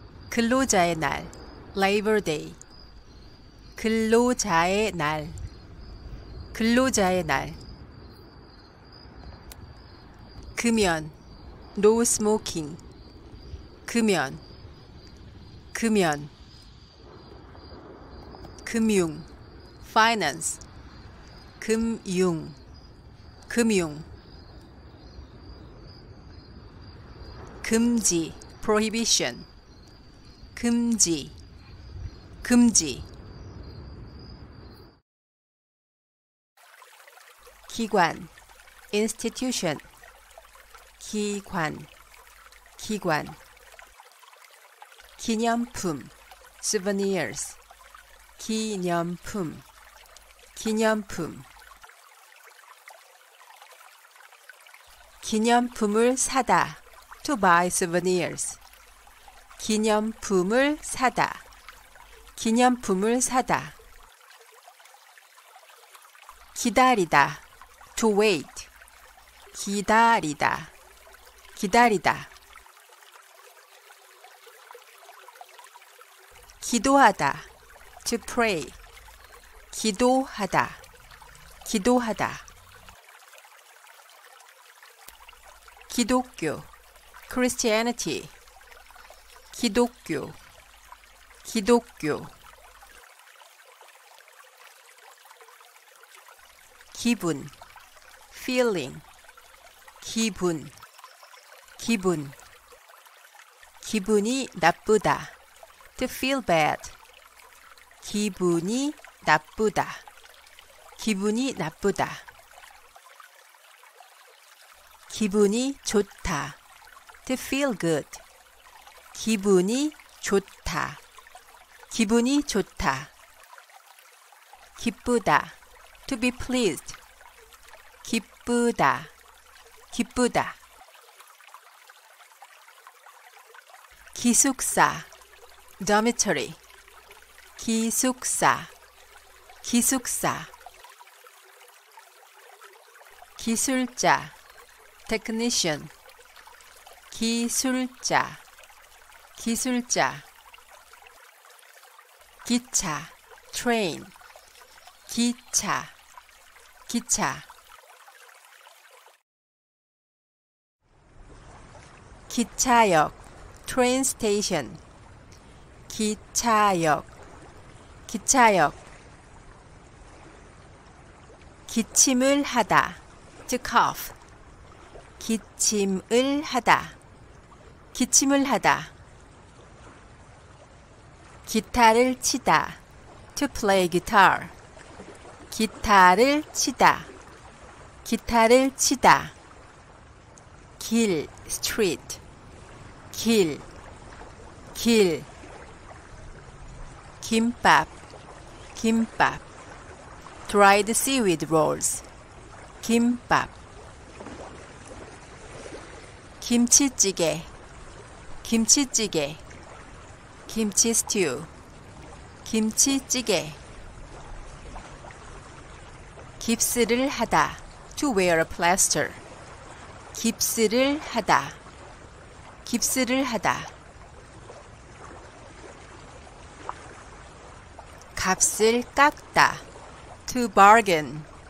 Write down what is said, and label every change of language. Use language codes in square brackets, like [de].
[ko] 근로자의 날, [en] Labor Day. [ko] 근로자의 날, 근로자의 날. [en] 금연, no smoking. [ko] 금연, 금연. 금융, finance. 금융, 금융. [en] 금지, prohibition. [ko] 금지, 금지. [en] 기관, institution. [ko] 기관, 기관. [en] 기념품, souvenirs. [ko] 기념품, 기념품. 기념품을 사다, [en] to buy souvenirs. [ko] 기념품을 사다, 기념품을 사다. [en] 기다리다, to wait. [ko] 기다리다, 기다리다. [en] 기도하다, to pray. [ko] 기도하다, 기도하다. [en] 기독교, Christianity. [ko] 기독교, 기독교. 기분, feeling. 기분, 기분. 기분이 나쁘다, [en] to feel bad. [ko] 기분이 나쁘다, 기분이 나쁘다. 기분이 좋다, [en] to feel good. [ko] 기분이 좋다, 기분이 좋다. [en] 기쁘다, to be pleased. [ko] 기쁘다, 기쁘다. [en] 기숙사, dormitory. [ko] 기숙사, 기숙사. [en] 기술자, technician. [ko] 기술자, 기술자. 기차, train. 기차, 기차. [en] 기차역, train station. [ko] 기차역, 기차역. 기침을 하다, [en] to cough. [ko] 기침을 하다, 기침을 하다. 기타를 치다, [en] to play guitar. [ko] 기타를 치다, 기타를 치다. 길, street. 길, 길. 김밥, 김밥. [en] Dried seaweed rolls. [ko] 김밥. 김치찌개, 김치찌개. 김치 스튜, 김치찌개. 깁스를 하다, [en] to wear a plaster. [ko] 깁스를 하다, 깁스를 하다. 값을 깎다, [en] to bargain.